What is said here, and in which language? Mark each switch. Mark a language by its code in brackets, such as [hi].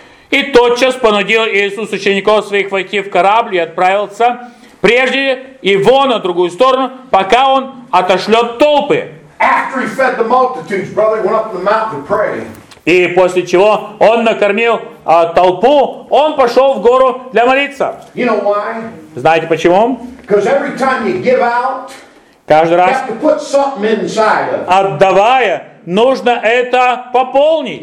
[ru] И тотчас понудил Иисус учеников своих войти в корабль и отправился прежде его на другую сторону, пока он отошлет толпы. [en] After he fed the multitudes, brother went up the mountain to pray. [ru] И после чего он накормил толпу, он пошел в гору для молиться. [en] You know why? [ru] Знаете почему? [en] Because every time you give out, [ru] каждый раз, [en] you have to put something inside of. [ru] Отдавая, нужно это пополнить.